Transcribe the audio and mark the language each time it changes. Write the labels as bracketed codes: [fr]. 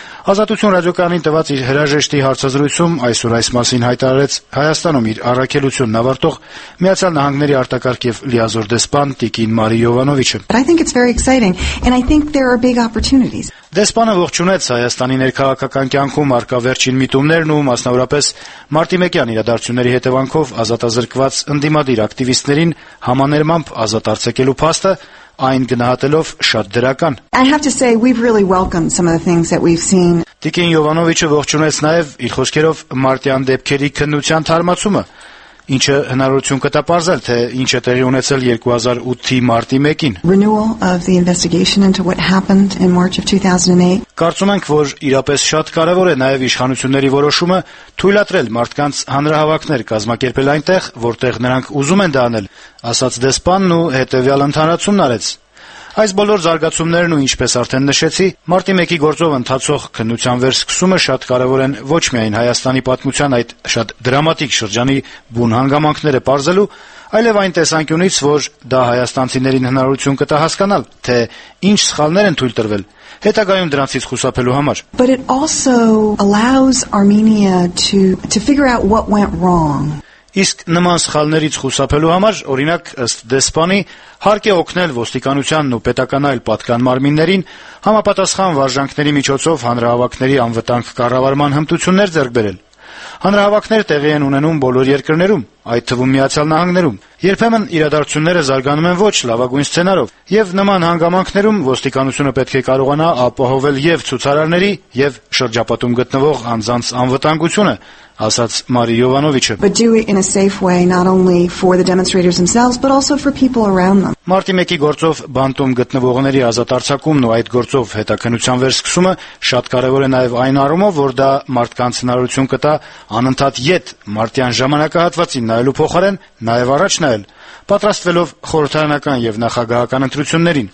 [hy] Ազատություն ռադիոկայանին տված իր հրաժեշտի հարցազրույցում այսօր այս մասին հայտարարեց Հայաստանում իր առաքելությունն ավարտող Միացյալ Նահանգների արտակարգ և լիազոր դեսպան Տիկին Մարի Յովանովիչը։ Դեսպանը ողջունեց Հայաստանի ներքաղաքական կյանքում առկա վերջին միտումներն ու մասնավորապես Մարտի 1-յան իրադարձությունների հետևանքով ազատազրկված ընդդիմադիր ակտիվիստներին համաներմամբ ազատ արձակելու փաստը, այն գնահատելով շատ դրական։ [en] I have to say we've really welcomed some of the things that we've seen. [hy] Տիկին Յովանովիչը ողջունեց նաև իր խոսքերով մարտյան դեպքերի քննության թարմացումը, ինչը հնարավորություն կտա պարզել, թե ինչ է տեղի ունեցել 2008-ի մարտի 1-ին։ [en] Renewal of the investigation into what happened in March of 2008. [hy] Կարծում ենք, որ իրապես շատ կարևոր է նաև իշխանությունների որոշումը թույլատրել մարդկանց հանրահավաքներ կազմակերպել այնտեղ, որտեղ նրանք ուզում են դանել, ասաց դեսպանն ու հետևյալ ընդհանրացումն արեց։ Այս բոլոր զարգացումներն ու ինչպես արդեն նշեցի, մարտի 1-ի գործով ընթացող քննության վերսկսումը շատ կարևոր են ոչ միայն Հայաստանի պատմության այդ շատ դրամատիկ շրջանի բուն հանգամանքները պարզելու, այլև այն տեսանկյունից, որ դա հայաստանցիներին հնարավորություն կտա հասկանալ, թե ինչ սխալներ են թույլ տրվել հետագայում դրանցից խուսափելու համար։ [en] But it also allows Armenia to figure out what went wrong. [hy] Իսկ նման սխալներից խուսափելու համար, օրինակ, ըստ դեսպանի, հարկ է օգնել ոստիկանությանն ու պետական այլ պատկան մարմիններին համապատասխան վարժանքների միջոցով հանրահավաքների անվտանգ կառավարման հմտություններ ձեռք բերել։ Հանրահավաքներ տեղի են ունենում բոլոր երկրներում, այդ թվում Միացյալ Նահանգներում։ Երբեմն իրադարձությունները զարգանում են ոչ լավագույն սցենարով, և նման հանգամանքներում ոստիկանությունը պետք է կարողանա ապահովել և ցուցարարների, և շրջապատում գտնվող անձանց անվտանգությունը, ասաց Մարի Յովանովիչը։ [en] But do it in a safe way, not only for the demonstrators themselves, but also for people around them. [hy] Մարտի 1-ի գործով բանտում գտնվողների ազատ արձակումն ու այդ գործով հետաքնության վերսկսումը շատ կարևոր է նաև այն առումով, որ դա մարդկանց հնարավորություն կտա անընդհատ ետ մարտյան ժամանակահատվածին նայելու փոխարեն նաև առաջ նայել, պատրաստվելով խորհրդարանական և նախագահական ընտրություններին։